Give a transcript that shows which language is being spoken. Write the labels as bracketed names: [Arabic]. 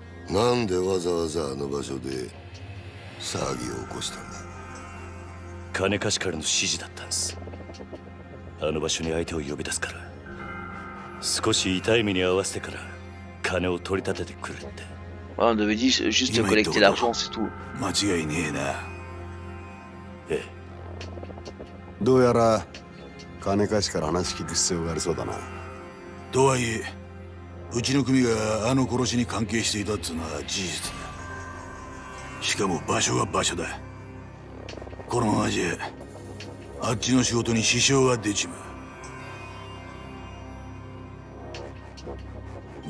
[Japanese] なんでわざわざあの場所で騒ぎを起こしたんだ。金貸しからの指示だったんです。あの場所に相手を呼び出すから、少し痛い目に遭わせてから金を取り立ててくるって。 [French] Ah, on devait dire juste de collecter l'argent, c'est tout. [Japanese] 間違いねえな。ええ。どうやら金貸しから話聞く必要がありそうだな。とはいえ、うちの組があの殺しに関係していたっつうのは事実だ。しかも場所は場所だ。このままじゃ、あっちの仕事に支障が出ちまう。